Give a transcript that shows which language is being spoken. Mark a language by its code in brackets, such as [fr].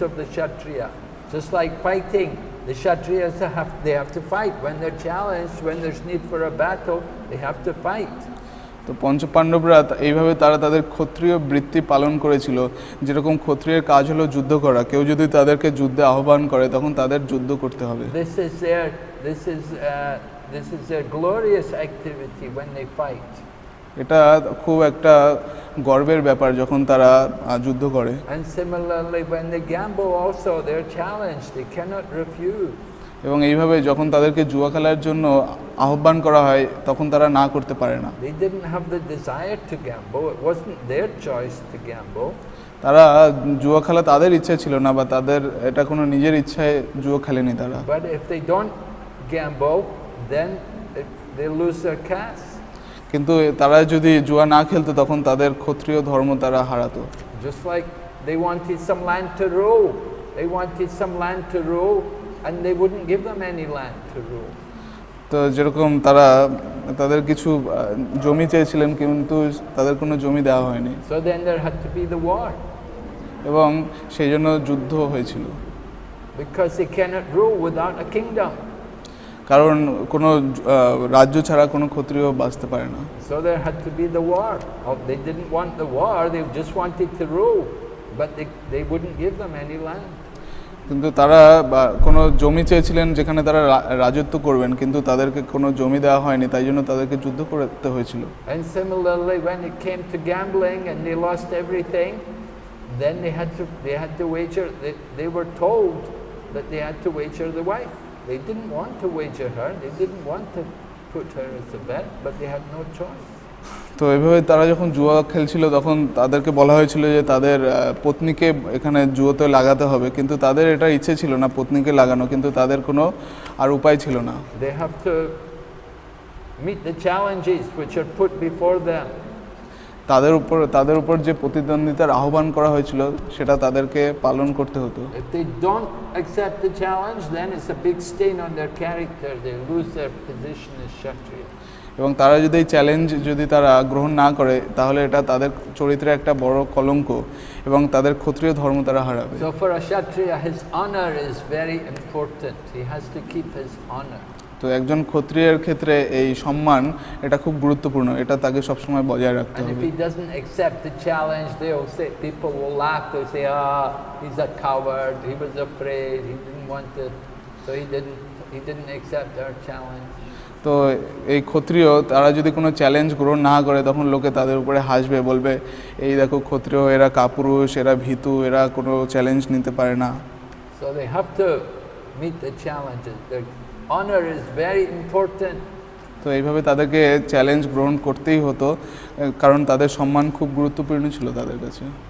[en] Just like fighting, the kshatriyas have to fight when they're challenged, when there's need for a battle, they have to fight. [bn] তো পঞ্চপাণ্ডবরা এইভাবে তারা তাদের ক্ষত্রিয় বৃত্তি পালন করেছিল, যেরকম ক্ষত্রিয়ের কাজ হলো যুদ্ধ করা. কেউ যদি তাদেরকে যুদ্ধে আহ্বান করে তখন তাদের যুদ্ধ করতে হবে. [en] This is their glorious activity when they fight. [bn] এটা খুব একটা গর্বের ব্যাপার যখন তারা যুদ্ধ করে. [en] And similarly when they gamble also they're challenged, they cannot refuse. [bn] এবং এইভাবে যখন তাদেরকে জুয়া খেলার জন্য আহ্বান করা হয় তখন তারা না করতে পারে না. [en] They didn't have the desire to gamble, it wasn't their choice to gamble. [bn] তারা জুয়া খেলা তাদের ইচ্ছা ছিল না বা তাদের এটা কোনো নিজের ইচ্ছায় জুয়া খেলেনি তারা. [en] But if they don't gamble then they lose their caste. [bn] কিন্তু তারা যদি জুয়া না খেলতো তখন তাদের ক্ষত্রিয় ধর্ম তারা হারাতো. [en] Just like they wanted some land to rule. They wanted some land to rule and they wouldn't give them any land to rule. [bn] তো যেরকম তারা তাদের কিছু জমি চেয়েছিলেন কিন্তু তাদের কোনো জমি দেওয়া হয়নি. [en] So then there had to be the war. [bn] এবং সেই জন্য যুদ্ধ হয়েছিল. [en] Because they cannot rule without a kingdom. [bn] কারণ কোনো রাজ্য ছাড়া কোনো ক্ষত্রিয় বাঁচতে পারে না. [en] So there had to be the war. Oh, they didn't want the war, they just wanted to rule. But they wouldn't give them any land. [bn] কিন্তু তারা কোনো জমি চেয়েছিলেন যেখানে তারা রাজত্ব করবেন কিন্তু তাদেরকে কোনো জমি দেওয়া হয়নি, তাই জন্য তাদেরকে যুদ্ধ করতে হয়েছিল. [en] And similarly when it came to gambling and they lost everything, then they had to wager, they were told that they had to wager the wife. They didn't want to wager her, they didn't want to put her as a bet, but they had no choice. [bn] তো এভাবে তারা যখন জুয়া খেলছিল তখন তাদেরকে বলা হয়েছিল যে তাদের পত্নীকে এখানে জুয়াতে লাগাতে হবে, কিন্তু তাদের এটা ইচ্ছে ছিল না পত্নীকে লাগানো, কিন্তু তাদের কোনো আর উপায় ছিল না. [en] They have to meet the challenges which are put before them. [bn] তাদের উপর যে প্রতিদ্বন্দ্বিতার আহ্বান করা হয়েছিল সেটা তাদেরকে পালন করতে হতো. [en] If they don't accept the challenge then it's a big stain on their character, they lose their position as kshatriya. [bn] এবং তারা যদি এই চ্যালেঞ্জ যদি তারা গ্রহণ না করে তাহলে এটা তাদের চরিত্রে একটা বড় কলঙ্ক এবং তাদের ক্ষত্রিয় ধর্ম তারা হারাবে. [en] So for a kshatriya his honor is very important, he has to keep his honor. [bn] তো একজন ক্ষত্রিয়ের ক্ষেত্রে এই সম্মান এটা খুব গুরুত্বপূর্ণ, এটা তাকে সবসময় বজায় রাখতে হবে. [en] And if he doesn't accept the challenge they will say, people will laugh, they say, he's a coward, he was afraid, he didn't want to, so he didn't accept our challenge. [bn] তো এই ক্ষত্রিয় তারা যদি কোনো challenge গ্রহণ না করে তখন লোকে তাদের উপরে হাসবে, বলবে এই দেখো ক্ষত্রিয় এরা কাপুরুষ, এরা ভীতু, এরা কোনো চ্যালেঞ্জ নিতে পারে না. [en] So So they have to meet the challenges. Their honor is very important. [bn] তো এইভাবে তাদেরকে চ্যালেঞ্জ গ্রহণ করতেই হতো কারণ তাদের সম্মান খুব গুরুত্বপূর্ণ ছিল তাদের কাছে